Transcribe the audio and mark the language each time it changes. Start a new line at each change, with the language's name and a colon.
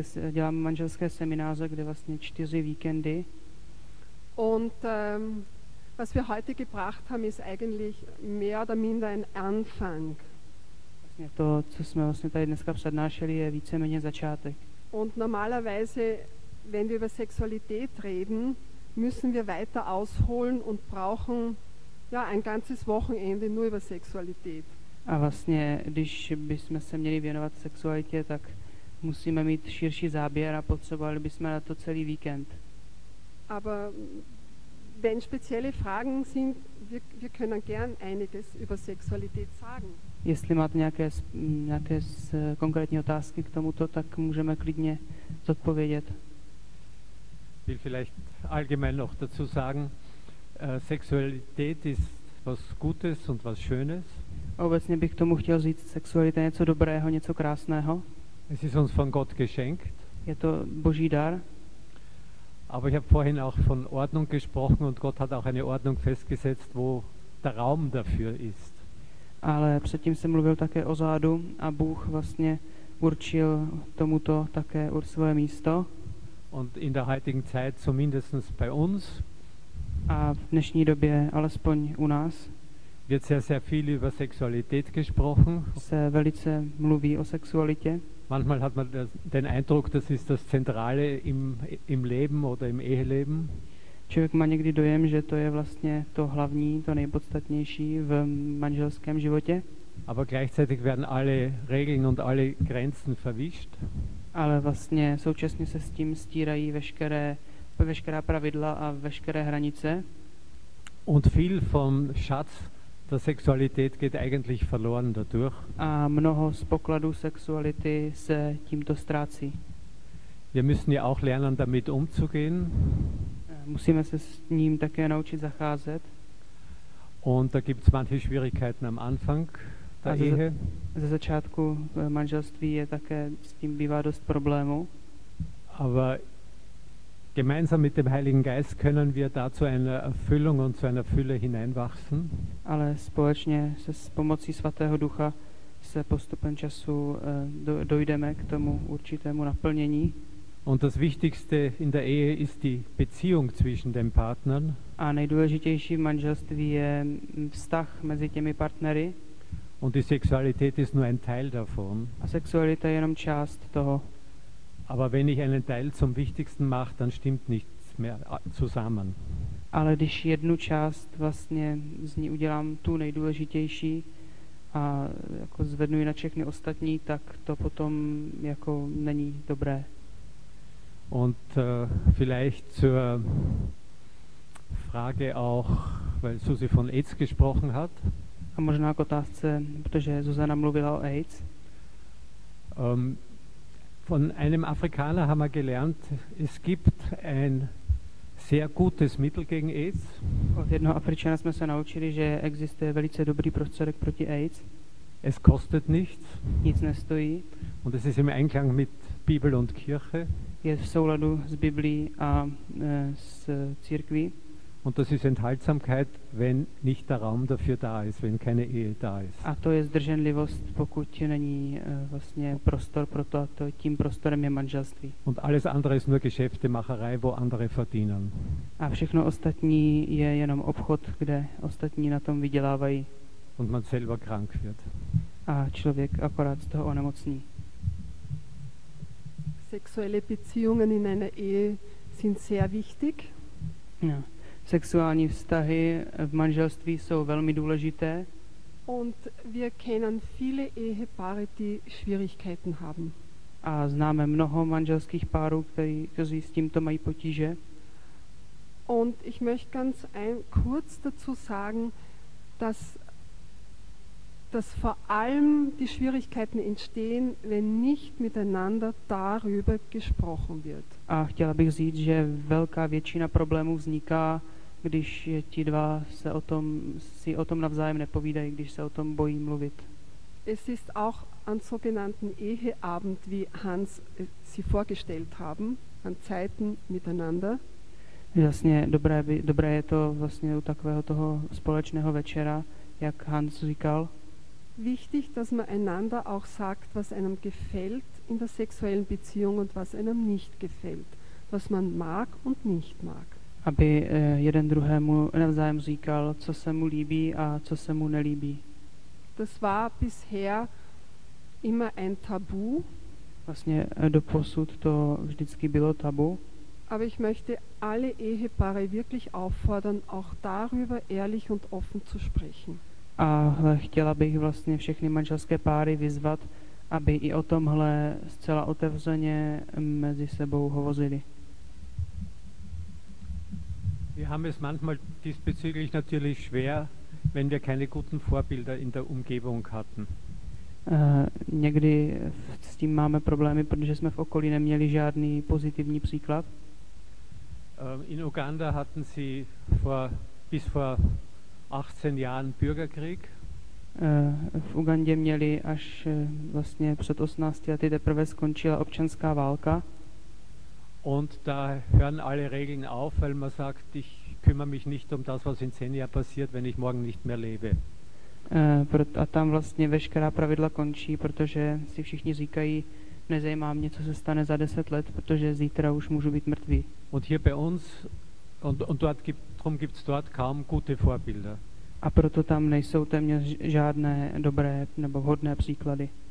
Czech: Děláme manželské semináře, kde vlastně 4 víkendy.
German: Und was wir heute gebracht haben, ist eigentlich mehr oder minder ein Anfang.
Czech: Vlastně to, co jsme vlastně tady dneska přednášeli, je víceméně začátek.
German: Und normalerweise, wenn wir über Sexualität reden, müssen wir weiter ausholen und brauchen ja ein ganzes Wochenende nur über Sexualität.
Czech: A vlastně, když bychom se měli věnovat sexualitě, tak musíme mít širší záběr a potřebovali bychom na to celý víkend.
German: Aber wenn spezielle Fragen sind, wir können gern einiges über Sexualität sagen.
Czech: Jestli máte nějaké konkrétní otázky k tomuto, tak můžeme klidně zodpovědět.
German: Will vielleicht allgemein noch dazu sagen, Sexualität ist was Gutes und was Schönes.
Czech: Obecně bych k tomu chtěl říct, sexualita je něco dobrého, něco krásného.
German: Es ist uns von Gott geschenkt.
Czech: Je to Boží dar.
German: Aber ich habe vorhin auch von Ordnung gesprochen und Gott hat auch eine Ordnung festgesetzt, wo der Raum dafür ist.
Czech: Ale předtím jsem mluvil také o zádu a Bůh vlastně určil tomuto také svoje místo.
German: Und in der heutigen Zeit zumindest bei uns.
Czech: A v dnešní době alespoň u nás.
German: Wird sehr, sehr viel über Sexualität gesprochen.
Czech: Se velice mluví o sexualitě.
German: Manchmal hat man den Eindruck, das ist das Zentrale im Leben oder im Eheleben.
Czech: Člověk má někdy dojem, že to je vlastně to hlavní, to nejpodstatnější v manželském životě.
German: Aber gleichzeitig werden alle Regeln und alle Grenzen verwischt.
Czech: Ale vlastně současně se s tím stírají veškerá pravidla a veškeré hranice.
German: Und viel vom Schatz der Sexualität geht eigentlich verloren dadurch.
Czech: A mnoho z pokladů sexuality se tímto ztrácí.
German: Wir müssen ja auch lernen, damit umzugehen.
Czech: Musíme se s ním také naučit zacházet.
German: Und da gibt's manche Schwierigkeiten am Anfang der Ehe.
Czech: Ze začátku manželství je také s tím bývá dost problémů.
German: Aber gemeinsam mit dem Heiligen Geist können wir da zu einer Erfüllung und zu einer Fülle hineinwachsen.
Czech: Ale společně se s pomocí svatého ducha se postupem času dojdeme k tomu určitému naplnění.
German: Und das Wichtigste in der Ehe ist die Beziehung zwischen den Partnern.
Czech: A nejdůležitější v manželství je vztah mezi těmi partnery.
German: Und die Sexualität ist nur ein Teil davon.
Czech: A sexualita je jenom část toho.
German: Aber wenn ich einen Teil zum Wichtigsten mache, dann stimmt nichts mehr zusammen.
Czech: Ale když jednu část vlastně z ní udělám tu nejdůležitější a jako zvednu ji na všechny ostatní, tak to potom jako není dobré.
German: Und vielleicht zur Frage auch, weil Susi von AIDS gesprochen hat.
Czech: A možná k otázce, protože Zuzana mluvila o AIDS.
German: Von einem Afrikaner haben wir gelernt, es gibt ein sehr gutes Mittel gegen AIDS.
Czech: Od jednoho Afričana jsme se naučili, že existuje velice dobrý prostředek proti AIDS.
German: Es kostet nichts.
Czech: Nic nestojí.
German: Und es ist im Einklang mit Bibel und Kirche.
Czech: Je v souladu s Biblí a s církví.
German: Und das ist Enthaltsamkeit, wenn nicht der Raum dafür da ist, wenn keine Ehe da ist.
Czech: A to je zdrženlivost, pokud není vlastně prostor pro to, a to tím prostorem je manželství.
German: Und alles andere ist nur Geschäftemacherei, wo andere verdienen.
Czech: A všechno ostatní je jenom obchod, kde ostatní na tom vydělávají.
German: Und man selber krank wird.
Czech: A člověk akorát z toho onemocní.
German: Sexuelle Beziehungen in einer Ehe sind sehr wichtig. Ja.
Czech: Sexuální vztahy v manželství jsou velmi důležité.
German: Und wir kennen viele Ehepaare, die Schwierigkeiten haben.
Czech: A známe mnoho manželských párů, kteří s tímto mají potíže.
German: Und ich möchte ganz kurz dazu sagen, dass vor allem die Schwierigkeiten entstehen, wenn nicht miteinander darüber gesprochen wird.
Czech: A chtěla bych říct, že velká většina problémů vzniká, když ti dva si o tom navzájem nepovídají, když se o tom bojí mluvit.
German: Es ist auch an sogenannten Eheabend, wie Hans sie vorgestellt haben, an Zeiten miteinander.
Czech: Jasně, dobré je to vlastně u takového toho společného večera, jak Hans říkal.
German: Wichtig, dass man einander auch sagt, was einem gefällt in der sexuellen Beziehung und was einem nicht gefällt, was man mag und nicht mag.
Czech: Aby jeden druhému navzájem říkal, co se mu líbí a co se mu nelíbí.
German: Das war bisher immer ein Tabu.
Czech: Vlastně doposud to vždycky bylo tabu.
German: Aber ich möchte alle Ehepaare wirklich auffordern, auch darüber ehrlich und offen zu sprechen.
Czech: A chtěla bych vlastně všechny manželské páry vyzvat, aby i o tomhle zcela otevřeně mezi sebou hovořili.
German: Wir haben es manchmal diesbezüglich natürlich schwer, wenn wir keine guten Vorbilder in der Umgebung hatten.
Czech: Někdy s tím máme problémy, protože jsme v okolí neměli žádný pozitivní příklad.
German: In Uganda hatten sie bis vor 18 Jahren Bürgerkrieg.
Czech: V Ugandě měli až vlastně před 18 lety teprve skončila občanská válka.
German: Und da hören alle Regeln auf, weil man sagt, ich kümmere mich nicht um das, was in 10 Jahren passiert, wenn ich morgen nicht mehr lebe.
Czech: A tam vlastně veškerá pravidla končí, protože si všichni říkají, nezajímá mě, co se stane za 10 let, protože zítra už můžu být mrtvý.
German: Und hier bei uns und dort gibt's dort kaum gute Vorbilder.
Czech: A proto tam nejsou téměř žádné dobré nebo vhodné příklady.